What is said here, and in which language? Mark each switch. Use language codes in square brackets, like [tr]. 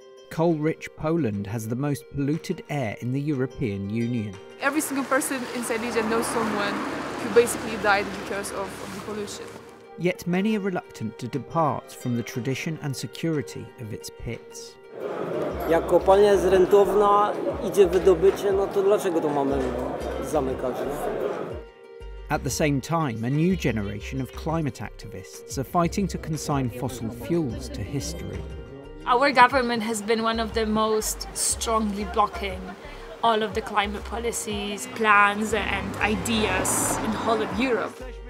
[en] coal-rich Poland has the most polluted air in the European Union. Every single person in Silesia knows someone who basically died because of the pollution. Yet many are reluctant to depart from the tradition and security of its pits. [pl] Jak kopalnia jest rentowna, idzie wydobycie, no to dlaczego to mamy zamykać? Nie? [en] At the same time, a new generation of climate activists are fighting to consign fossil fuels to history. Our government has been one of the most strongly blocking all of the climate policies, plans and ideas in whole of Europe.